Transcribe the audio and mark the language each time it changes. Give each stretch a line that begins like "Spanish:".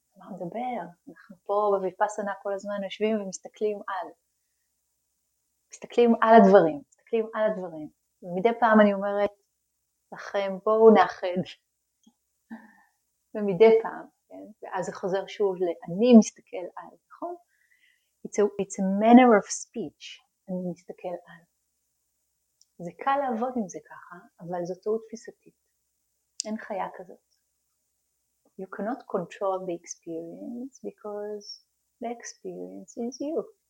Hebrew: מדבר, אנחנו פה בויפאסנה כל הזמן יושבים ומסתכלים על, מסתכלים על הדברים, ומדי פעם אני אומרת לכם, בואו נאחד, ומדי פעם, כן? ואז זה חוזר שוב לאני מסתכל על, נכון?
English: It's a manner of speech,
Hebrew: אני מסתכל על. זה קל לעבוד עם זה ככה, אבל זאת טעות תפיסתית, אין חיה כזאת.
English: You cannot control the experience because the experience is you.